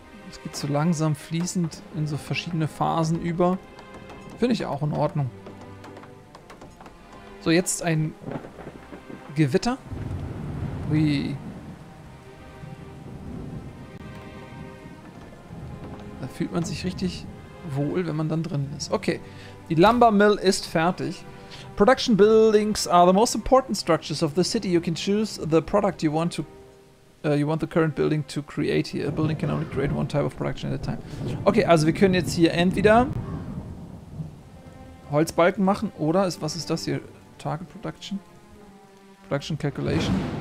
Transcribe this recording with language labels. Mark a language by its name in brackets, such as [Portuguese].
[German] Es geht so langsam fließend in so verschiedene Phasen über. Finde ich auch in Ordnung. So, jetzt ein Gewitter. Hui. Da fühlt man sich richtig wohl, wenn man dann drin ist. Okay, die Lumber Mill ist fertig. [English] Production buildings are the most important structures of the city. You can choose the product you want to the current building to create here. A building can only create one type of production at a time. [German] Okay, also wir können jetzt hier entweder Holzbalken machen oder was ist das hier? [English] Target Production? Production Calculation?